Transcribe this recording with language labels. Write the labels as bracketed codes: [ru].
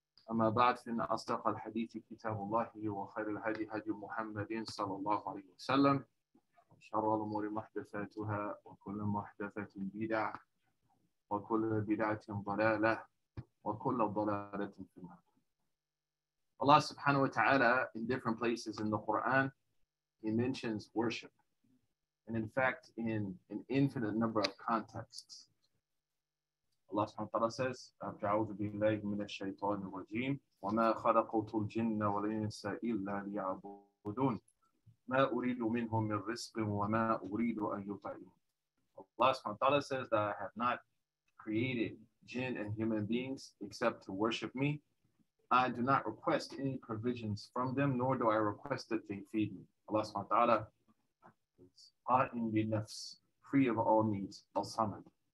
[ar] أما بعد فإن أصدق الحديث كتاب الله وخير الهدي هدي محمد صلى الله عليه وسلم وشر الأمور محدثاتها وكل محدثة بدعة وكل بدعة ضلالة وكل ضلالة في النار. [en] Allah subhanahu wa ta'ala in different places in the Quran He mentions worship, and in fact, in an infinite number of contexts. Allah subhanahu wa ta'ala says, [ar] أَعُوذُ بِاللَّهِ مِنَ الشَّيْطَانِ الرَّجِيمِ وَمَا خَلَقُتُ الْجِنَّ وَالْإِنسَ إِلَّا لِيَعْبُدُونَ مَا أُرِيدُ مِنْهُمْ مِنْ رِزْقٍ وَمَا أُرِيدُ أَنْ يُطَعِمُونَ. [en] Allah subhanahu wa ta'ala says that I have not created jinn and human beings except to worship me. I do not request any provisions from them, nor do I request that they feed me. Allah subhanahu wa ta'ala is [ar] qa'im bi nafs, [en] free of all needs, al-samad.